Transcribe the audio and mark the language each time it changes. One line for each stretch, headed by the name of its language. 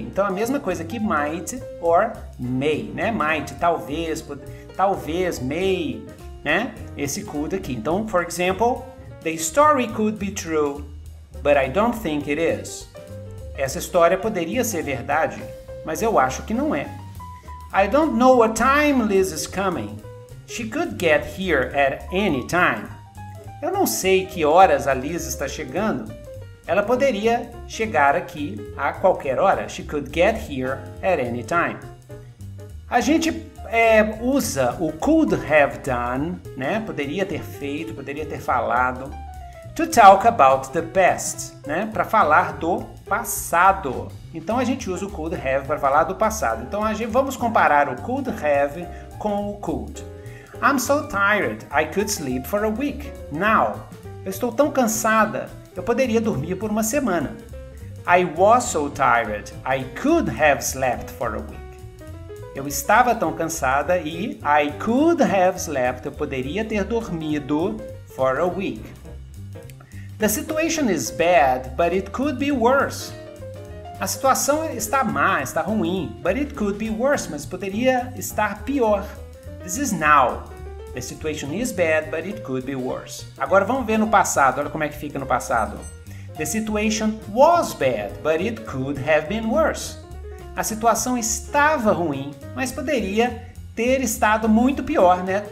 Portuguese: Então, a mesma coisa que
English: might or may,
Portuguese: né? Might, talvez, talvez, may, né? Esse could aqui.
English: Então, for example, the story could be true, but I don't think it is.
Portuguese: Essa história poderia ser verdade, mas eu acho que não é.
English: I don't know what time Liz is coming. She could get here at any time.
Portuguese: Eu não sei que horas a Liz está chegando. Ela poderia chegar aqui a qualquer hora.
English: She could get here at any time.
Portuguese: A gente usa o could have done, né? Poderia ter feito, poderia ter falado.
English: To talk about the past,
Portuguese: né? Para falar do passado. Então a gente usa o could have para falar do passado. Então a gente, vamos comparar o could have com o could.
English: I'm so tired, I could sleep for a week.
Portuguese: Now, eu estou tão cansada, eu poderia dormir por uma semana.
English: I was so tired, I could have slept for a week.
Portuguese: Eu estava tão cansada e
English: I could have slept,
Portuguese: eu poderia ter dormido
English: for a week. The situation is bad, but it could be worse.
Portuguese: A situação está má, está ruim,
English: but it could be worse,
Portuguese: mas poderia estar pior.
English: This is now. The situation is bad, but it could be worse.
Portuguese: Agora vamos ver no passado, olha como é que fica no passado.
English: The situation was bad, but it could have been worse.
Portuguese: A situação estava ruim, mas poderia ter estado muito pior, né?